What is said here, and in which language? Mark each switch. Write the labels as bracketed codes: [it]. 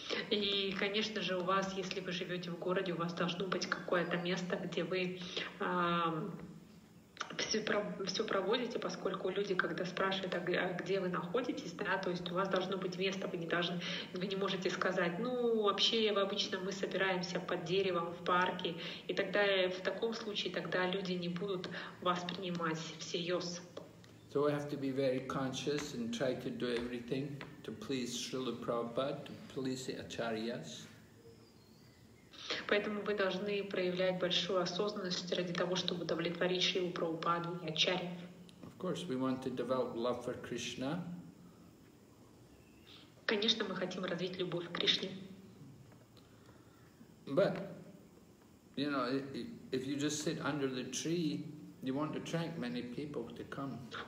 [ru] И, конечно же, у вас, если вы живете в городе, у вас должно быть какое-то место, где вы все проводите, поскольку люди, когда спрашивают, а где вы находитесь, да, то есть у вас должно быть место, вы не можете сказать, ну, вообще, обычно мы собираемся под деревом в парке, и тогда, в таком случае, тогда люди не будут вас принимать всерьез. [en] So we have to be very conscious and try to do everything to please Srila Prabhupada, to please the acharyas. [ru] Поэтому вы должны проявлять большую осознанность ради того, чтобы удовлетворить Шрилу Прабхупаду и ачарьев. [en] Of course, we want to develop love for Krishna. [ru] Конечно, мы хотим развить любовь к Кришне. [en] But, you know, if you just sit under the tree, you won't attract many people to come.